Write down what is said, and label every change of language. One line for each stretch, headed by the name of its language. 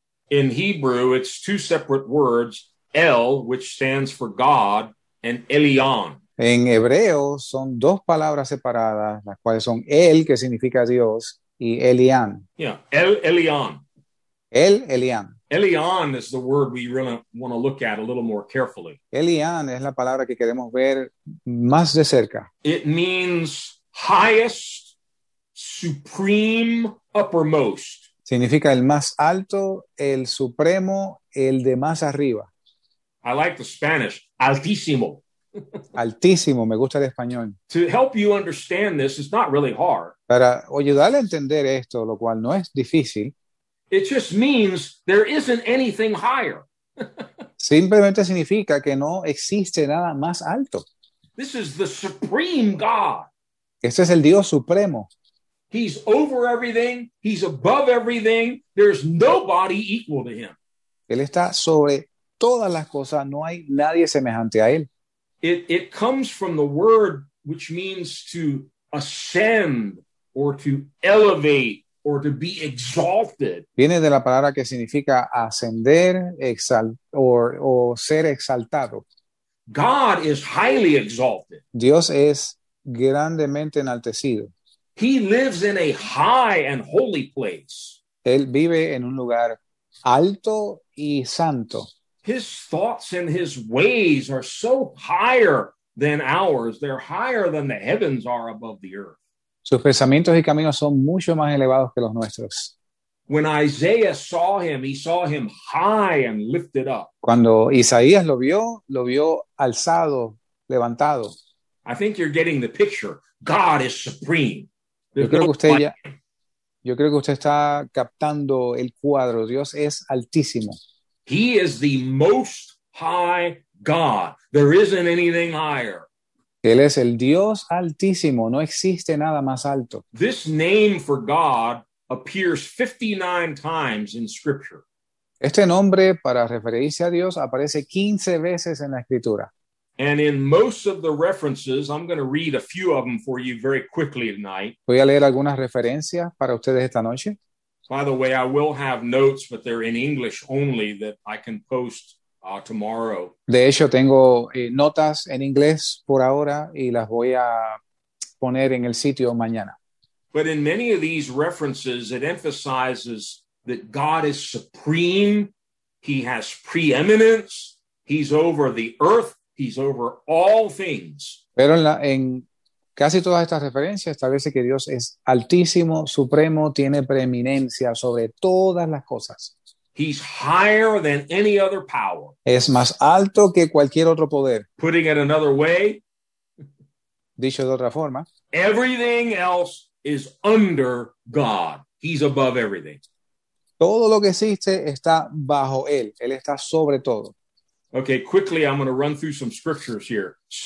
English: In Hebrew, it's two separate words, El, which stands for God, and Elyon.
Spanish: En hebreo, son dos palabras separadas, las cuales son El, que significa Dios, y Elyon.
English: Yeah, El Elyon.
Spanish: El Elyon.
English: Elyon is the word we really want to look at a little more carefully.
Spanish: Elyon es la palabra que queremos ver más de cerca.
English: It means highest, supreme, uppermost.
Spanish: Significa el más alto, el supremo, el de más arriba.
English: I like the Spanish, altísimo.
Spanish: Altísimo, me gusta el español.
English: To help you understand this, it's not really hard.
Spanish: Para ayudarle a entender esto, lo cual no es difícil.
English: It just means there isn't anything higher.
Spanish: Simplemente significa que no existe nada más alto.
English: This is the supreme God.
Spanish: Este es el Dios supremo.
English: He's over everything. He's above everything. There's nobody equal to him.
Spanish: Él está sobre todas las cosas, no hay nadie semejante a él.
English: It comes from the word which means to ascend or to elevate or to be exalted.
Spanish: Viene de la palabra que significa ascender, o ser exaltado.
English: God is highly exalted.
Spanish: Dios es grandemente enaltecido.
English: He lives in a high and holy place. Él vive en un lugar alto y santo. His thoughts and his ways are so higher than ours. They're higher than the heavens are above the earth.
Spanish: Sus pensamientos y caminos son mucho más elevados que los nuestros.
English: When Isaiah saw him, he saw him high and lifted up.
Spanish: Cuando Isaías lo vio alzado, levantado.
English: I think you're getting the picture. God is supreme.
Spanish: Yo creo que usted está captando el cuadro. Dios es altísimo.
English: He is the most high God. There isn't anything higher.
Spanish: Él es el Dios altísimo. No existe nada más alto.
English: This name for God appears 59 times in Scripture.
Spanish: Este nombre para referirse a Dios aparece 15 veces en la Escritura.
English: And in most of the references, I'm going to read a few of them for you very quickly tonight.
Spanish: Voy a leer algunas referencias para ustedes esta noche.
English: By the way, I will have notes, but they're in English only that I can post tomorrow.
Spanish: De hecho, tengo notas en inglés por ahora y las voy a poner en el sitio mañana.
English: But in many of these references, it emphasizes that God is supreme. He has preeminence. He's over the earth. He's over all things.
Spanish: Pero en casi todas estas referencias establece que Dios es altísimo, supremo, tiene preeminencia sobre todas las cosas.
English: He's higher than any other power.
Spanish: Es más alto que cualquier otro poder.
English: Putting it another way,
Spanish: dicho de otra forma,
English: everything else is under God. He's above everything.
Spanish: Todo lo que existe está bajo él. Él está sobre todo.
English: Okay, quickly, I'm going to run through some scriptures here.